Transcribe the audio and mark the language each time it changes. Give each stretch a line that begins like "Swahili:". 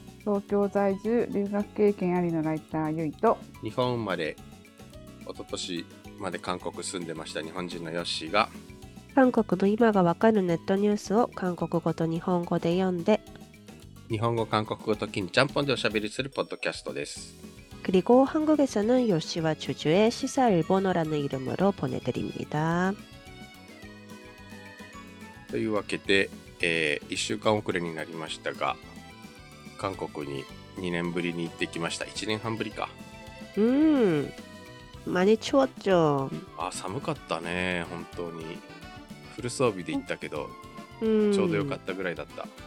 Japanese: 東京在住留学経験ありのライターユイと、日本生まれ一昨年まで韓国住んでました日本人のヨッシーが、韓国の今がわかるネットニュースを韓国語と日本語で読んで、日本語韓国語ときにちゃんぽんでおしゃべりするポッドキャストです。
Korean: 그리고한국에서는요시와주주의시사일본어라는이름으로보내드립니다。
Japanese: というわけで、1週間遅れになりましたが、韓国に2年ぶりに行ってきました。 1年半ぶりか。
Korean: 많이추웠죠。
Japanese: あ、寒かったね、本当に。フル装備で行ったけど、ちょうどよかったぐらいだった。